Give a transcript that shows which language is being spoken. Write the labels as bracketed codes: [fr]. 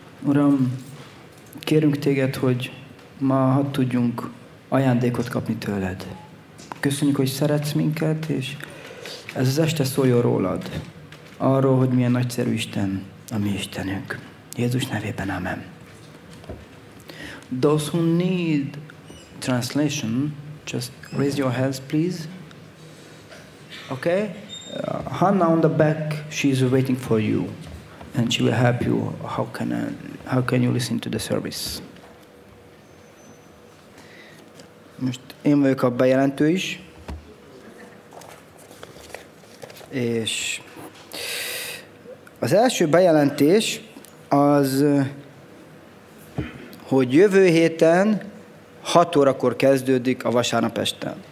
[hu] Uram, kérünk téged, hogy ma hadd tudjunk ajándékot kapni tőled. Köszönjük, hogy szeretsz minket, és ez az este szóljon rólad. Arról, hogy milyen nagyszerű Isten a mi Istenünk. Jézus nevében, amen. [en] Those who need translation, just raise your hands, please. Okay? Hannah on the back, she's waiting for you. And she will help you. How can you listen to the service? [hu] Most én vagyok a bejelentő is. És az első bejelentés az, hogy jövő héten 6 órakor kezdődik a vasárnap este.